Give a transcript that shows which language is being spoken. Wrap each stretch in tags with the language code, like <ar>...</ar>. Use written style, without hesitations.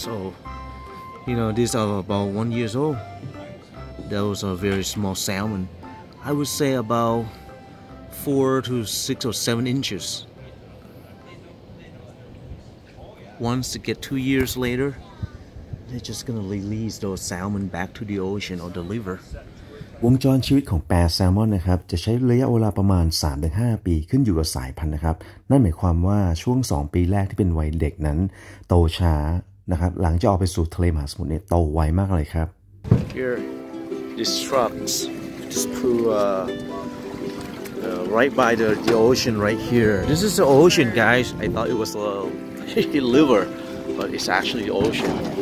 <en>So, you know, these are about 1 year old. Those are very small salmon. I would say about 4 to 6 or 7 inches. Once they get 2 years later, they're just gonna release those salmon back to the ocean or the river.</en> <th>วงจรชีวิตของปลาแซลมอนนะครับจะใช้ระยะเวลาประมาณ 3-5 ปีขึ้นอยู่กับสายพันธุ์นะครับนั่นหมายความว่าช่วง2ปีแรกที่เป็นวัยเด็กนั้นโตช้านะครับหลังจากออกไปสู่ทะเลมหาสมุทรเนี่ยโตไวมากเลยครับ</th> <en>Here these trucks just pull right by the ocean right here. This is the ocean, guys. I thought it was a river, but it's actually the ocean.</en>